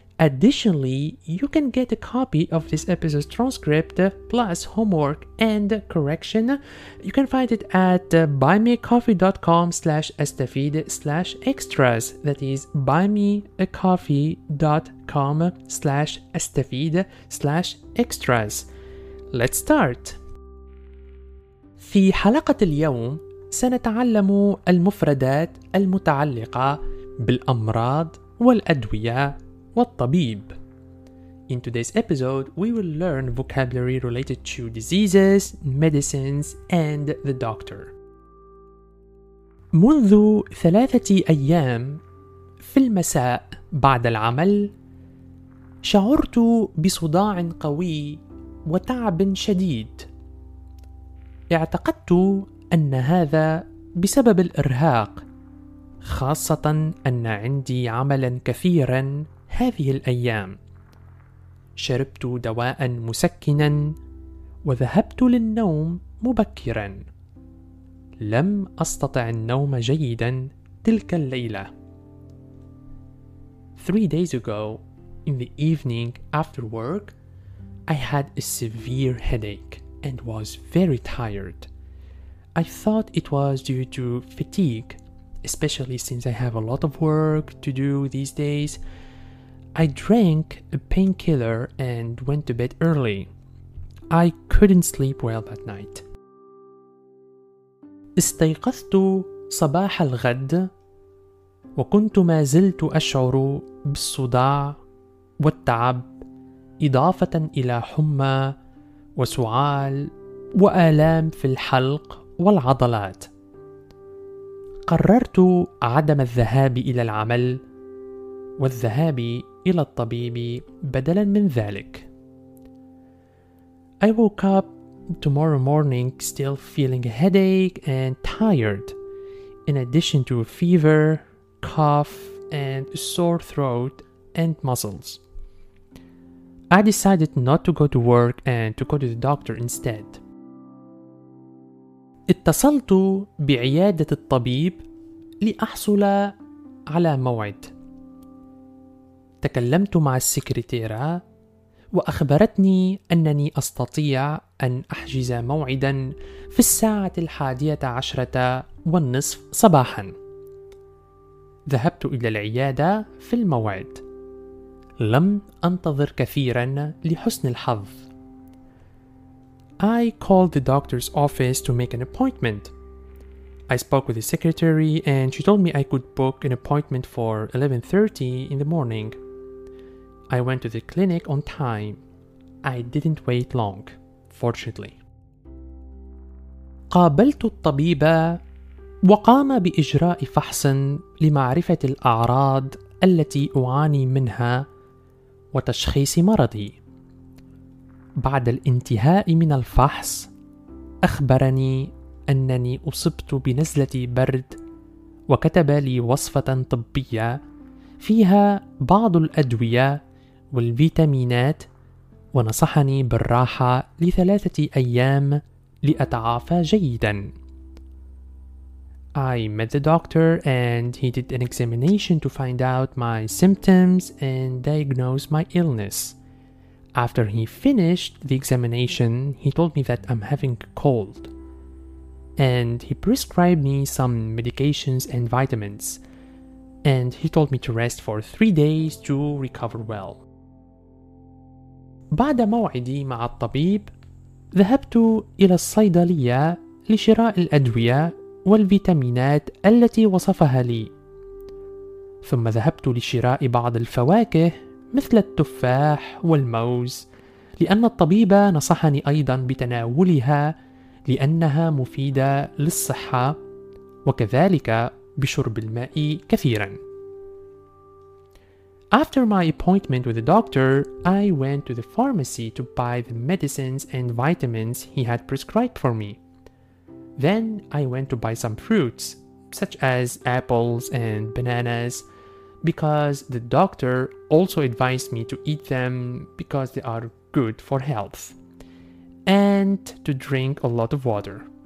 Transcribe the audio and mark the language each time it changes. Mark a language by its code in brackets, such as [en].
[en] Additionally, you can get a copy of this episode's transcript plus homework and correction. You can find it at buymeacoffee.com/astafid/extras, that is buymeacoffee.com/astafid/extras. Let's start. [ar] في حلقة اليوم سنتعلم المفردات المتعلقة بالأمراض والأدوية والطبيب. [en] In today's episode, we will learn vocabulary related to diseases, medicines, and the doctor. [ar] منذ ثلاثة أيام في المساء بعد العمل شعرت بصداع قوي وتعب شديد. اعتقدت أن هذا بسبب الإرهاق، خاصة أن عندي عملا كثيرا هذه الأيام. شربت دواء مسكنا وذهبت للنوم مبكرا. لم أستطع النوم جيدا تلك الليلة. [en] 3 days ago, in the evening after work, I had a severe headache and was very tired. I thought it was due to fatigue, especially since I have a lot of work to do these days. I drank a painkiller and went to bed early. I couldn't sleep well that night. [ar] استيقظت صباح الغد وكنت ما زلت أشعر بالصداع والتعب، إضافة إلى حمى وسعال وآلام في الحلق والعضلات. قررت عدم الذهاب إلى العمل والذهاب إلى الطبيب بدلا من ذلك. [en] I woke up tomorrow morning still feeling a headache and tired, in addition to a fever, cough, and a sore throat and muscles. I decided not to go to work and to go to the doctor instead. [ar] اتصلت بعيادة الطبيب لأحصل على موعد. تكلمت مع السكرتيرة وأخبرتني أنني أستطيع أن أحجز موعدا في الساعة 11:30 صباحا. ذهبت إلى العيادة في الموعد. لم أنتظر كثيرا لحسن الحظ. [en] I called the doctor's office to make an appointment. I spoke with the secretary and she told me I could book an appointment for 11:30 in the morning. I went to the clinic on time. I didn't wait long, fortunately. [ar] قابلت الطبيب وقام بإجراء فحص لمعرفة الأعراض التي أعاني منها وتشخيص مرضي. بعد الانتهاء من الفحص أخبرني أنني أصبت بنزلة برد وكتب لي وصفة طبية فيها بعض الأدوية والفيتامينات ونصحني بالراحة لثلاثة أيام لأتعافى جيدا. [en] I met the doctor and he did an examination to find out my symptoms and diagnose my illness. After he finished the examination, he told me that I'm having a cold. And he prescribed me some medications and vitamins. And he told me to rest for 3 days to recover well. [ar] بعد موعدي مع الطبيب، ذهبت إلى الصيدلية لشراء الأدوية والفيتامينات التي وصفها لي. ثم ذهبت لشراء بعض الفواكه مثل التفاح والموز، لأن الطبيبة نصحني أيضا بتناولها لأنها مفيدة للصحة، وكذلك بشرب الماء كثيرا. [en] After my appointment with the doctor, I went to the pharmacy to buy the medicines and vitamins he had prescribed for me. Then I went to buy some fruits, such as apples and bananas, because the doctor also advised me to eat them because they are good for health, and to drink a lot of water.